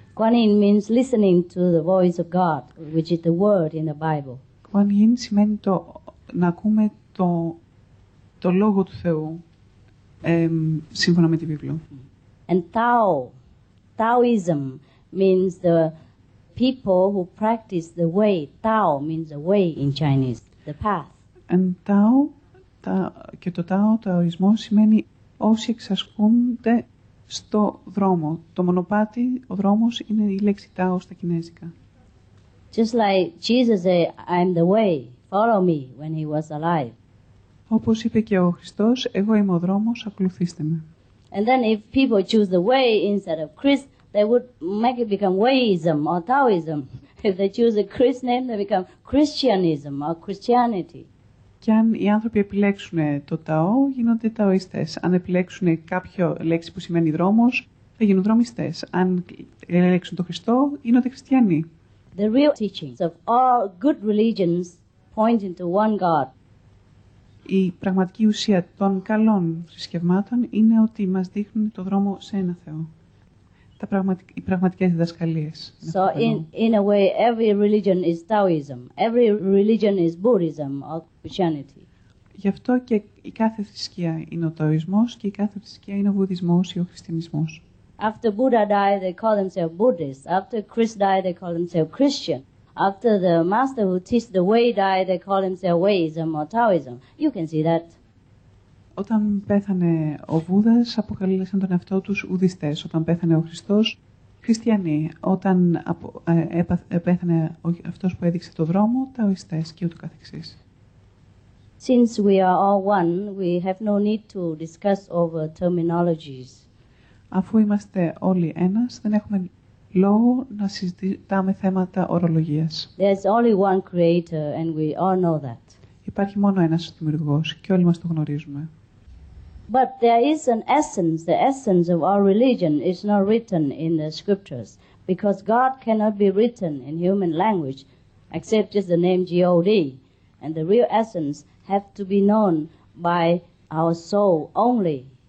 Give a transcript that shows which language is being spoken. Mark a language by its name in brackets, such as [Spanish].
[English] Kuan Yin means listening to the voice of God, which is the word in the Bible. [Greek] Kuan Yin σημαίνει το να ακούμε το λόγο του Θεού σύμφωνα με τη Βίβλο. [English] And Taoism means the people who practice the way. Tao means the way in Chinese, the path. And Tao, [Greek] και το Tao, Taoismo, σημαίνει όσοι εξασκούνται στο δρόμο. Το μονοπάτι, ο δρόμος, είναι η λέξη Tao στα κινέζικα. [English] Just like Jesus said, I'm the way, follow me, when he was alive. [Greek] Όπως είπε και ο Χριστός, εγώ είμαι ο δρόμος, ακολουθήστε με. [English] And then if people choose the way instead of Christ, they would make it become Wayism or Taoism. If they choose a Christ name, they become Christianism or Christianity. [Greek] Και αν οι άνθρωποι επιλέξουν το Tao, γίνονται Ταοίστες. Αν επιλέξουν κάποιο λέξη που σημαίνει δρόμος, θα γίνουν δρομιστές. Αν επιλέξουν το Χριστό, γίνονται χριστιανοί. [English] The real teachings of all good religions point into one God. [Greek] Η πραγματική ουσία των καλών θρησκευμάτων είναι ότι μας δείχνουν το δρόμο σε ένα Θεό. Οι πραγματικές διδασκαλίες. [English] So in a way every religion is Taoism. Every religion is Buddhism or Christianity. [Greek] Γι' αυτό και η κάθε θρησκεία είναι ο Ταοισμός και η κάθε θρησκεία είναι ο Βουδισμός ή ο Χριστιανισμός. [English] After Buddha died they call themselves Buddhists. After Christ died they call themselves Christian. After the master who teach the way died, they call themselves Wayism or Taoism. You can see that. [Greek] Όταν πέθανε ο Βούδας, αποκαλύψαν τον εαυτό τους ουδιστές. Όταν πέθανε ο Χριστός, χριστιανοί. Όταν πέθανε αυτός που έδειξε το δρόμο, ταοιστές και ούτω καθεξής. [English] Since we are all one, we have no need to discuss over terminologies. [Greek] Αφού είμαστε όλοι ένας, δεν έχουμε λόγο να συζητάμε θέματα ορολογίας. [English] There's only one creator and we all know that. [Greek] Υπάρχει μόνο ένας δημιουργός και όλοι μας το γνωρίζουμε. [English] But there is an essence. The essence of our religion is not written in the scriptures because God cannot be written in human language except just the name God. And the real essence have to be known by our soul only.